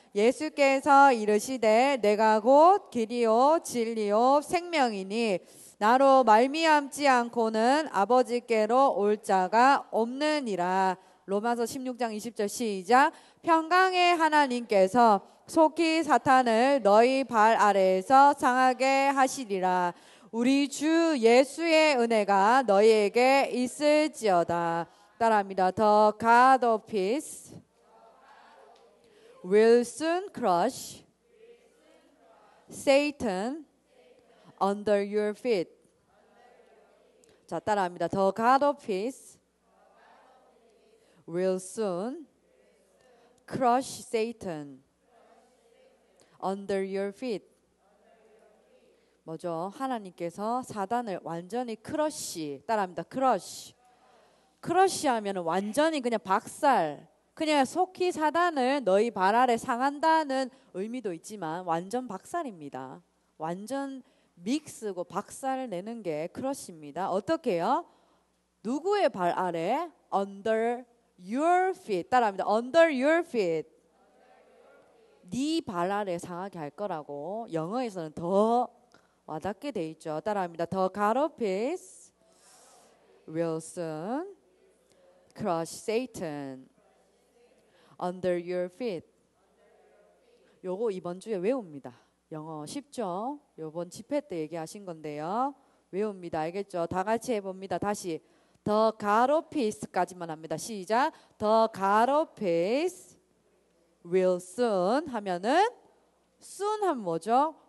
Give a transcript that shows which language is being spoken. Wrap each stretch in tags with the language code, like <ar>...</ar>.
<ko>예수께서 이르시되 내가 곧 길이요 진리요 생명이니 나로 말미암지 않고는 아버지께로 올 자가 없느니라. 로마서 16장 20절 시작. 평강의 하나님께서 속히 사탄을 너희 발 아래에서 상하게 하시리라. 우리 주 예수의 은혜가 너희에게 있을지어다. 따라합니다.</ko> <en>The God of peace will soon crush Satan under your feet.</en> <ko>자, 따라합니다.</ko> <en>The God of peace will soon crush Satan under your feet.</en> <ko>뭐죠? 하나님께서 사단을 완전히 크러쉬, 따라합니다. 크러쉬. 크러쉬하면 완전히 그냥 박살. 그냥 속히 사단을 너희 발 아래 상한다는 의미도 있지만 완전 박살입니다. 완전 믹스고 박살을 내는 게 크러쉬입니다. 어떻게요? 누구의 발 아래?</ko> <en>Under your feet.</en> <ko>따라합니다.</ko> <en>Under your feet.</en> <ko>네 발 아래 상하게 할 거라고 영어에서는 더 와닿게 돼 있죠. 따라합니다.</ko> <en>The God of peace will soon crush Satan under your feet.</en> <ko>요거 이번 주에 외웁니다. 영어 쉽죠? 요번 집회 때 얘기하신 건데요. 외웁니다. 알겠죠? 다 같이 해봅니다. 다시</ko> <en>The God of peace</en> <ko>까지만 합니다. 시작.</ko> <en>The God of peace will soon</en> <ko>하면은</ko> <en>soon</en> <ko>하면 뭐죠?</ko>